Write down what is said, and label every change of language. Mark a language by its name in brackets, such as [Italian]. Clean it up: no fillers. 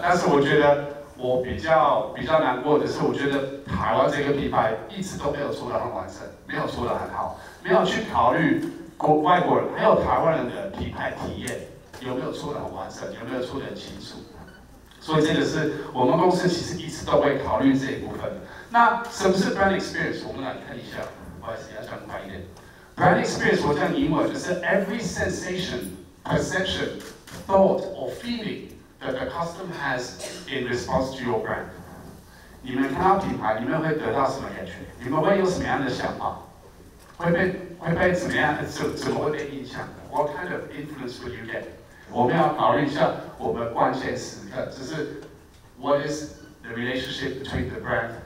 [Chinese] 但是我觉得我比较难过的是，我觉得台湾这个品牌一直都没有做得很完整，没有做得很好，没有去考虑外国人还有台湾人的品牌体验有没有做得很完整，有没有做得很清楚。所以这个是我们公司其实一直都会考虑这一部分。那什么是 brand experience？ 我们来看一下，不好意思，要讲快一点。 brand experience 我讲英文就是 [English] every sensation, perception, thought or feeling that the customer has in response to your brand。 [Chinese] 你们看到品牌，你们会得到什么感觉？你们会有什么样的想法？会被怎么样？怎么会被影响的 ？ [English] What kind of influence will you get？ [Chinese] 我们要考虑一下我们关键时刻，就是 [English] what is the relationship between the brand？